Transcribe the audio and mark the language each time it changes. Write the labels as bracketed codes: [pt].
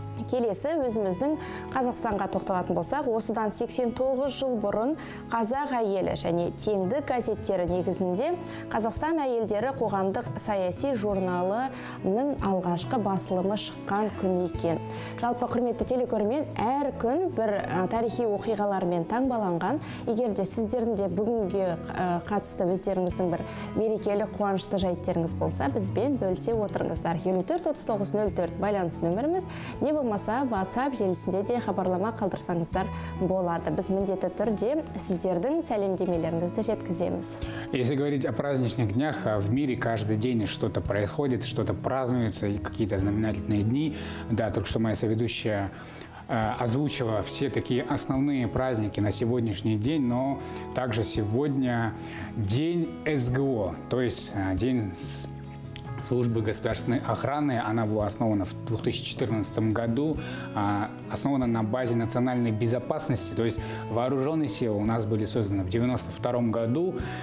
[kk] Келесі өзіміздің Қазақстанға тоқталатын болсақ, осыдан 89 жыл бұрын Қазақ әйелі және Теңді газеттері негізінде Қазақстан әйелдері қоғамдық саяси журналының алғашқы басылымы шыққан күн екен. Жалпы құрметті телекөрермен, әр күн бір тарихи оқиғалармен таңбаланған. Егер де сіздердің де бүгінге қатысты өздеріңіздің бір мерекелік қуанышты жайттарыңыз болса, бізбен бөлісе отырыңыздар. 54-39-04 байланыс нөміріміз. Не болмаса, WhatsApp желісінде де хабарлама қалдырсаңыздар болады. Біз міндетті түрде сіздердің сәлемдемелеріңізді жеткіземіз. [ru] Если говорить о праздничных днях, в мире каждый день что-то происходит, что-то празднуется, какие-то знаменательные дни. Да, только что моя соведущая озвучила все такие основные праздники на сегодняшний день, но также сегодня день СГО, то есть день службы государственной охраны, она была основана в 2014 году, основана на базе национальной безопасности, то есть вооруженные силы у нас были созданы в 1992 году,